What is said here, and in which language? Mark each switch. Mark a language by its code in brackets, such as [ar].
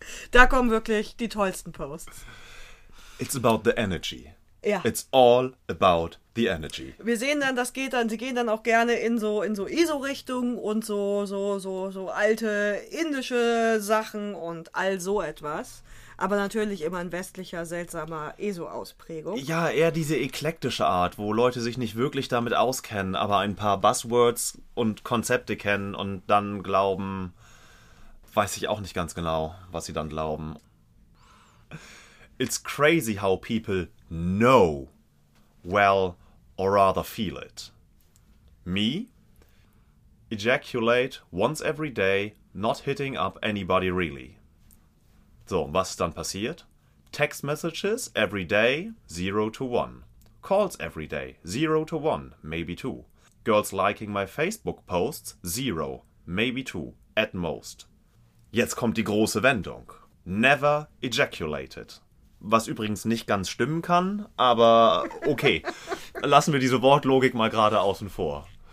[de] Da kommen wirklich die tollsten Posts. [en] It's about the energy. [de] Ja. [en] It's all about the energy. [de] Wir sehen dann, das geht dann, sie gehen dann auch gerne in so ISO-Richtung und so alte indische Sachen und all so etwas. Aber natürlich immer in westlicher, seltsamer ESO-Ausprägung. Ja, eher diese eklektische Art, wo Leute sich nicht wirklich damit auskennen, aber ein paar Buzzwords und Konzepte kennen und dann glauben, weiß ich auch nicht ganz genau, was sie dann glauben. [en] It's crazy how people know, well, or rather feel it. Me? Ejaculate once every day, not hitting up anybody really. [de] So, und was ist dann passiert? [en] Text messages every day, 0 to 1. Calls every day, 0 to 1, maybe 2. Girls liking my Facebook posts, 0, maybe 2, at most. [de] Jetzt kommt die große Wendung. [en] Never ejaculated. [de] Was übrigens nicht ganz stimmen kann, aber okay. Lassen wir diese Wortlogik mal gerade außen vor.